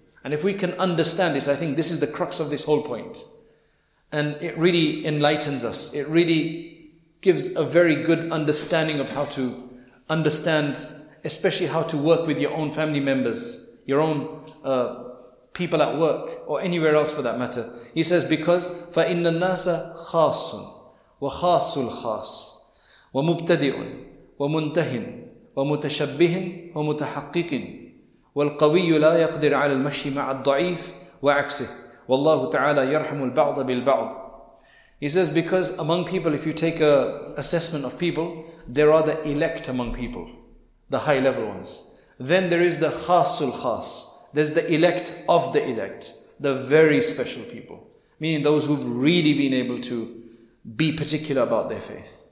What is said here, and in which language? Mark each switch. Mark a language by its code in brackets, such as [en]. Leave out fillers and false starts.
[en] And if we can understand this, I think this is the crux of this whole point. And it really enlightens us. It really gives a very good understanding of how to understand, especially how to work with your own family members, your own people at work, or anywhere else for that matter. He says, because [ar] فَإِنَّ النَّاسَ خَاصٌ وَخَاصُ الْخَاصِ وَمُبْتَدِئٌ وَمُنْتَهِنْ وَمُتَشَبِّهٍ وَمُتَحَقِّقٍ وَالْقَوِيُّ لَا يَقْدِرْ عَلَى الْمَشْيِ مَعَ الضَّعِيفِ وَعَكْسِهِ وَاللَّهُ تَعَالَى يَرْحَمُ الْبَعْضَ بِالْبَعْضِ. [en] He says, because among people, if you take an assessment of people, there are the elect among people, the high level ones. Then there is the khasul khas. There's the elect of the elect, the very special people. Meaning those who've really been able to be particular about their faith.